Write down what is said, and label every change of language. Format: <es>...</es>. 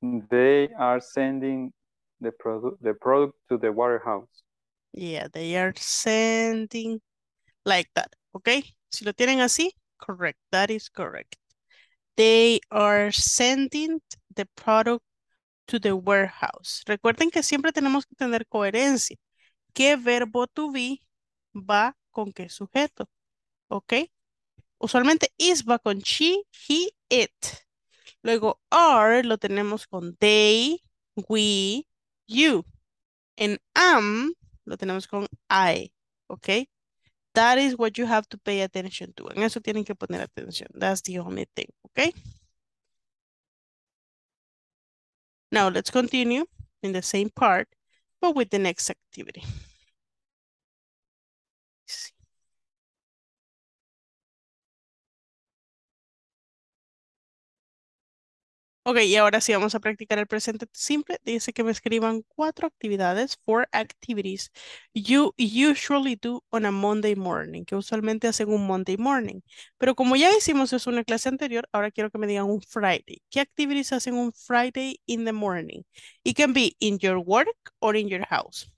<en>They are sending the product to the warehouse. Yeah, they are sending like that. Okay.</en> <es>Si lo tienen así,</es> <en>correct. That is correct. They are sending the product to the warehouse.</en> <es>Recuerden que siempre tenemos que tener coherencia. ¿Qué verbo to be va con qué sujeto? Okay. Usualmente is va con she, he, it. Luego are lo tenemos con they, we, you. And am lo tenemos con I, okay?</es> <en>That is what you have to pay attention to.</en> <es>En eso tienen que poner atención.</es> <en>That's the only thing, okay? Now let's continue in the same part, but with the next activity. Let's see.</en> <es>Okay, y ahora sí vamos a practicar el presente simple. Dice que me escriban cuatro actividades,</es> <en>four activities you usually do on a Monday morning,</en> <es>que usualmente hacen un Monday morning. Pero como ya hicimos eso en una clase anterior, ahora quiero que me digan un Friday. ¿Qué activities hacen un Friday in the morning?</es> <en>It can be in your work or in your house.</en>